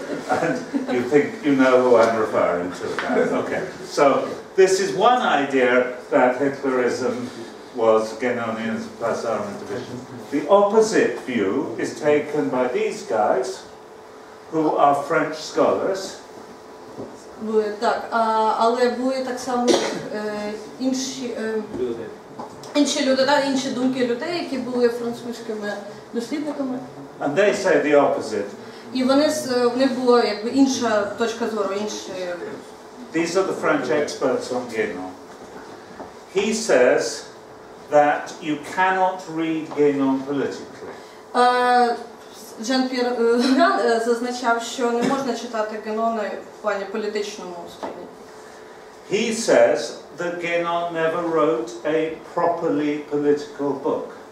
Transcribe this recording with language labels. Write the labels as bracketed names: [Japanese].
[English] And you think you know who I'm referring to. Okay. So this is one idea that Hitlerism was Genonians plus armed division. The opposite view is taken by these guys, who are French scholars. [Ukrainian] Були так, але були так само інші люди, так, інші думки людей, які були французькими дослідниками. [English] And they say the opposite. [Ukrainian] І вони в них була якби інша точка зору, інші. [English] These are the French experts on Genon. He says that you cannot read Genon politically. [Ukrainian] Жан-П'єр Ган зазначав, що не можна читати Генона в плані політичному сприйнятті. [English] He says that Генон never wrote a properly political book.